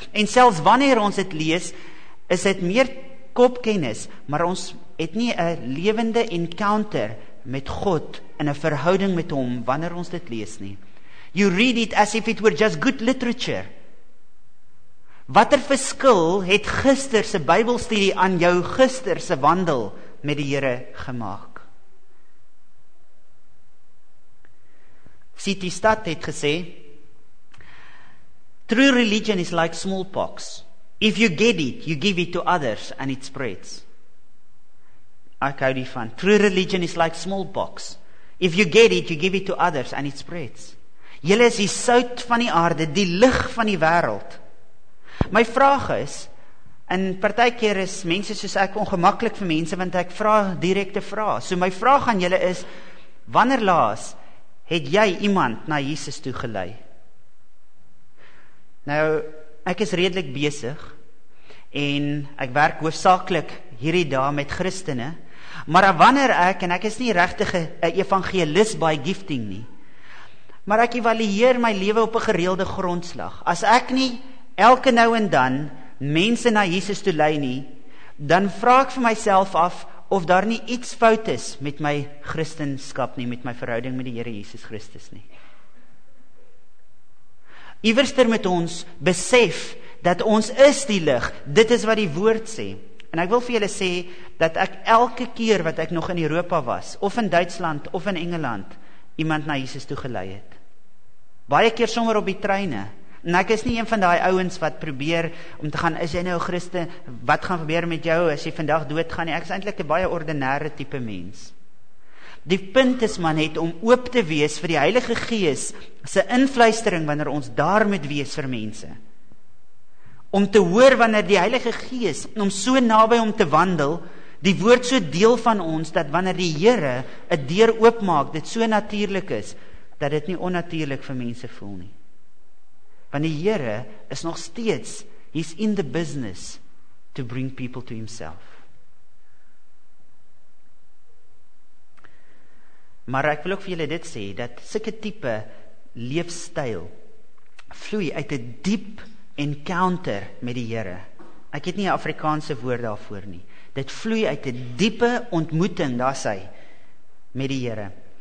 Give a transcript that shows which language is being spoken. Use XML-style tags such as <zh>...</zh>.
<af>En selfs wanneer ons dit lees, is dit meer kopkennis, maar ons het nie 'n lewende encounter met God in 'n verhouding met hom, wanneer ons dit lees nie.</af> <en>You read it as if it were just good literature.</en> <af>Watter verskil het gister se Bybelstudie aan jou gister se wandel met die Here gemaak?</af> <en>C.T. Studd</en> <af>het gesê,</af> <en>true religion is like smallpox. If you get it, you give it to others and it spreads.</en> <af>Ek hou die van.</af> <en>True religion is like smallpox. If you get it, you give it to others and it spreads.</en> <af>Julle is die sout van die aarde, die lig van die wêreld. My vraag is, en partykeer is mense soos ek ongemaklik vir mense, want ek vra direkte vrae. So my vraag aan julle is, wanneer laas het jy iemand na Jesus toe gelei? Nou, ek is redelik besig en ek werk hoofsaaklik hierdie dag met Christene, maar wanneer ek, en ek is nie regtig 'n evangelist by gifting nie, maar ek evalueer my lewe op 'n gereelde grondslag. As ek nie elke nou en dan mense na Jesus toe lei nie, dan vra ek vir myself af of daar nie iets fout is met my Christenskap nie, met my verhouding met die Here Jesus Christus nie. Iewerster met ons besef dat ons is die lig. Dit is wat die woord sê. En ek wil vir julle sê dat ek elke keer wat ek nog in Europa was, of in Duitsland of in Engeland, iemand na Jesus toe gelei het. Baie keer sommer op die treine. En ek is nie een van daai ouens wat probeer om te gaan, is jy nou Christen? Wat gaan gebeur met jou as jy vandag dood gaan nie? Ek is eintlik 'n baie ordinêre tipe mens. Die punt is man het om oop te wees vir die Heilige Gees se invluistering wanneer ons daar moet wees vir mense. Om te hoor wanneer die Heilige Gees, om so naby om te wandel, die woord so deel van ons, dat wanneer die Here 'n deur oopmaak, dit so natuurlik is, dat dit nie onnatuurlik vir mense voel nie. Want die Here is nog steeds,</af> <en>he's in the business to bring people to himself.</en> <af>Maar ek wil ook vir julle dit sê, dat sulke tipe leefstyl vloei uit 'n diep encounter met die Here. Ek het nie 'n Afrikaanse woord daarvoor nie. Dit vloei uit 'n diepe ontmoeting, daar sê, met die Here.</af>